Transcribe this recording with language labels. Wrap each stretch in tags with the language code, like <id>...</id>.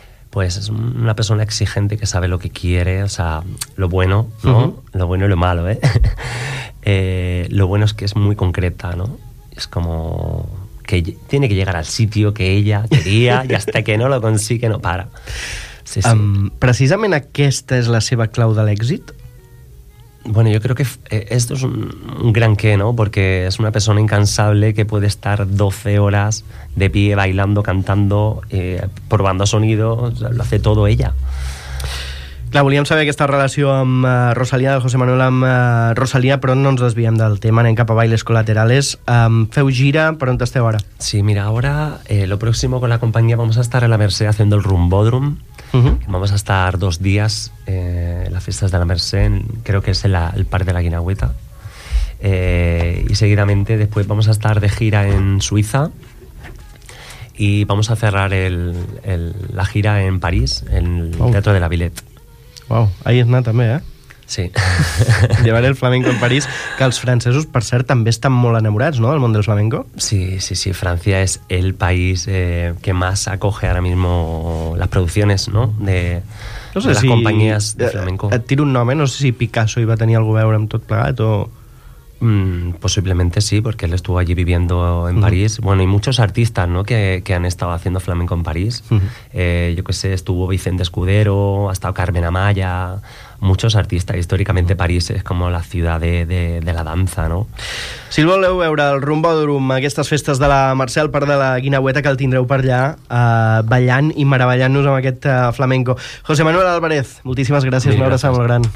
<es>Pues es una persona exigente que sabe lo que quiere, o sea, lo bueno, ¿no? Lo bueno y lo malo, ¿eh? Lo bueno es que es muy concreta, ¿no? Es como... que tiene que llegar al sitio que ella quería y hasta que no lo consigue no para. Sí, sí.</es> <ca>¿Precisamente aquesta es la seva clau de l'èxit?</ca> <es>Bueno, yo creo que esto es un gran qué, ¿no? Porque es una persona incansable que puede estar 12 horas de pie bailando, cantando, probando sonido, lo hace todo ella.</es> <ca>Clar, volíem saber aquesta relació amb Rosalía, de José Manuel amb Rosalía, però no ens desviem del tema, anem cap a Bailes Colaterales. Feu gira, per on esteu ara?</ca> <es>Sí, mira, ahora lo próximo con la compañía vamos a estar a la Merced haciendo el Rumbódrum. Vamos a estar 2 días en las fiestas de la Merced, creo que es el par de la Guinagüeta. Y seguidamente después vamos a estar de gira en Suiza. Y vamos a cerrar la gira en París, en el Teatro de la Villette. Wow, ahí es nada, también, ¿eh? Sí. Llevar el flamenco en París, que los franceses,</es> <ca>per cert,</ca> <es>también están muy enamorados, ¿no?, del mundo del flamenco. Sí, sí, sí. Francia es el país que más acoge ahora mismo las producciones, ¿no?, de las compañías de flamenco.</es> <ca>Et tiro</ca> <es>un nombre, no sé si Picasso iba a tener algo a ver con todo plegat o... Posiblemente sí, porque él estuvo allí viviendo en París. Bueno, y muchos artistas, ¿no?, que han estado haciendo flamenco en París. Yo qué sé, estuvo Vicente Escudero, ha estado Carmen Amaya, muchos artistas. Históricamente París es como la ciudad de la danza, ¿no?</es> <ca>Si el voleu veure al Rumbòdrom, aquestes festes de la Mercè, al parc de la Guinagüeta, que el tindreu per allà, ballant i meravellant-nos amb aquest flamenco. José Manuel Álvarez, moltíssimes gràcies, una abraçada molt gran.</ca>